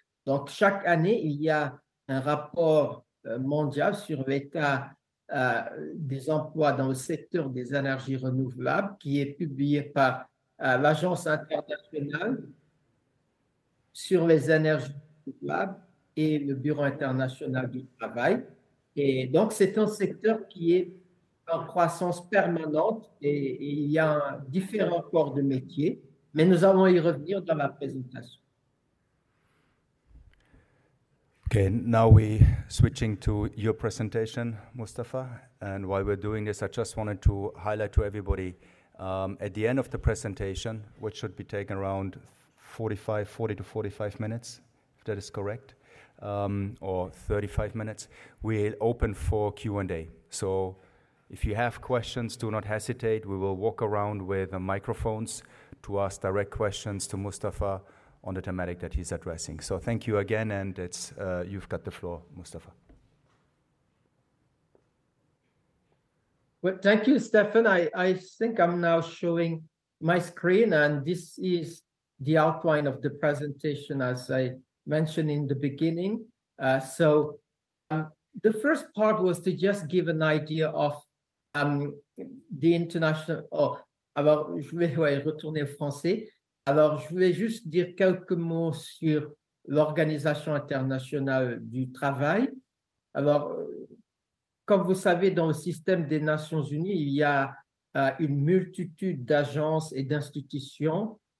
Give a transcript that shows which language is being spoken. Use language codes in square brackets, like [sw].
[fr] Donc, chaque année, il y a un rapport mondial sur l'état des emplois dans le secteur des énergies renouvelables qui est publié par l'Agence internationale sur les énergies renouvelables et le Bureau international du travail. Et donc, c'est un secteur qui est en croissance permanente et il y a différents corps de métiers, mais nous allons y revenir dans la présentation. [en] Okay, now we switching to your presentation, Mustafa. And while we're doing this, I just wanted to highlight to everybody, at the end of the presentation, which should be taken around 40 to 45 minutes, if that is correct, or 35 minutes, we'll open for Q&A. So if you have questions, do not hesitate. We will walk around with the microphones to ask direct questions to Mustafa on the thematic that he's addressing. So thank you again, and it's you've got the floor, Mustafa. Well, thank you, Stefan. I think I'm now showing my screen, and this is the outline of the presentation, as I mentioned in the beginning. So the first part was to just give an idea of the international. [fr] Oh, alors je vais retourner au français. Alors, je voulais juste dire quelques mots sur l'Organisation internationale du travail. Alors, comme vous savez, dans le système des Nations unies, il y a une multitude d'agences et d'institutions.